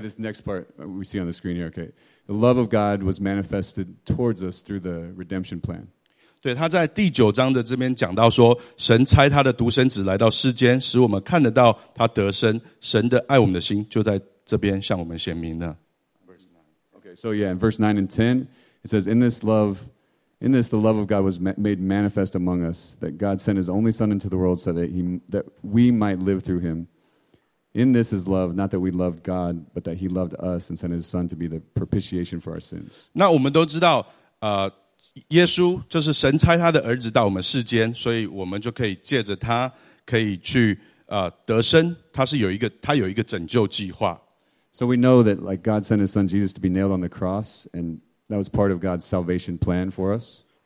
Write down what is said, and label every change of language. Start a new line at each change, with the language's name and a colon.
English: This next part we see on the screen here. Okay, the love of God was manifested towards us through the redemption plan.
Chinese: 对，他在第九章的这边讲到说，神差他的独生子来到世间，使我们看得到他得生。神的爱我们的心就在这边向我们显明了。Okay,
English: so yeah, in verse 9 and 10, it says, In this the love of God was made manifest among us, that God sent his only Son into the world so that we might live through him. In this is love, not that we loved God, but that he loved us and sent his Son to be the propitiation for our sins.
Chinese: 那我们都知道, 耶稣就是神差他的儿子到我们世间，所以我们就可以借着他可以去得生。他是有一个拯救计划。So
English: we know that like God sent his son Jesus to be nailed on the cross, and that was part of God's salvation plan for us.